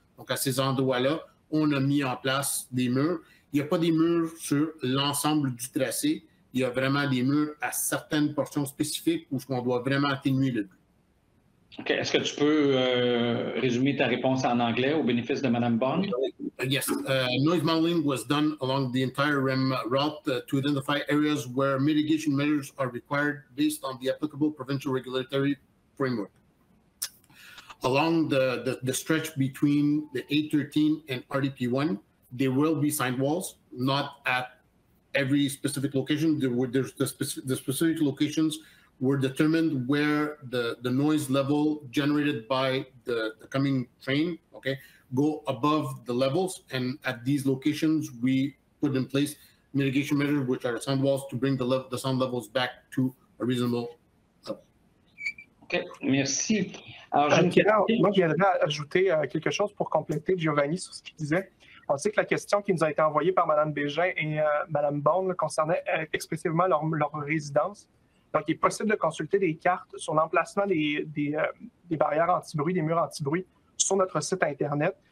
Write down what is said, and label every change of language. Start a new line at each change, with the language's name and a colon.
French: Donc, à ces endroits-là, on a mis en place des murs. Il n'y a pas des murs sur l'ensemble du tracé. Il y a vraiment des murs à certaines portions spécifiques où on doit vraiment atténuer le bruit. OK. Est-ce que tu peux résumer ta réponse en anglais au bénéfice de Mme Bond?
English: Yes. Noise modeling was done along the entire REM route to identify areas where mitigation measures are required based on the applicable provincial regulatory framework. Along the stretch between the 813 and RDP1, there will be sign walls, not at every specific location. The specific locations were determined where the noise level generated by the coming train, okay, go above the levels. And at these locations, we put in place mitigation measures, which are sound walls, to bring the sound levels back to a reasonable level.
French: OK. OK, merci. Alors, Pierre, moi, je viendrais ajouter quelque chose pour compléter Giovanni sur ce qu'il disait. On sait que la question qui nous a été envoyée par Mme Bégin et Mme Bond concernait expressivement leur résidence. Donc, il est possible de consulter des cartes sur l'emplacement des barrières anti-bruit, des murs anti-bruit sur notre site Internet.